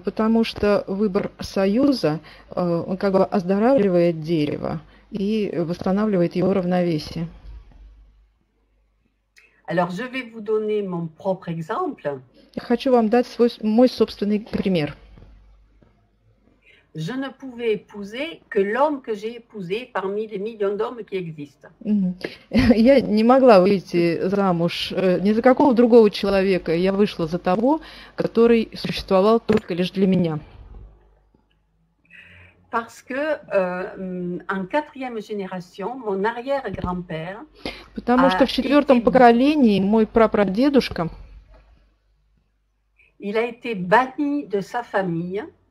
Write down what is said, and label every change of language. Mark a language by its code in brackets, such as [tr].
[ru] Потому что выбор союза, он как бы оздоравливает дерево и восстанавливает его равновесие. [fr] Alors, je vais vous donner mon propre exemple. [ru] Я хочу вам дать мой собственный пример. [fr] Je ne pouvais épouser que l'homme que j'ai épousé parmi les millions d'hommes qui existent. [ru] Я не могла выйти замуж ни за какого другого человека. Я вышла за того, который существовал только лишь для меня. [fr] Parce que en quatrième génération, mon arrière-grand-père. [ru] Потому что в четвертом поколении мой прапрадедушка. [fr] Il a été banni de sa famille.